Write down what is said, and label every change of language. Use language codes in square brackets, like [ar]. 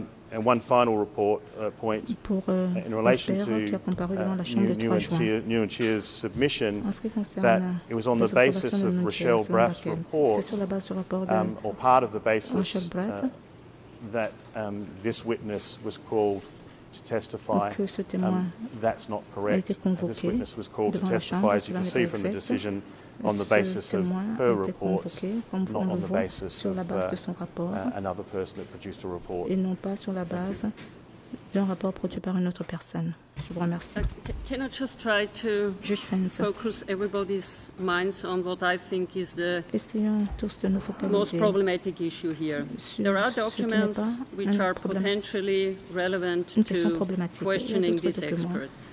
[en] And one final report point in relation to Nguyen Chia's submission that it was on the basis of Rochelle Braff's report or part of the basis that this witness was called to testify. That's not correct. This witness was called to testify, as you can see from the decision, on the basis of her report, not on the basis of another person that produced a report. [fr] Et non pas sur la base d'un rapport produit par une autre personne. Je vous remercie. [en] Can I just try to focus everybody's minds on what I think is the most problematic issue here? There are documents which are potentially relevant to questioning this expert.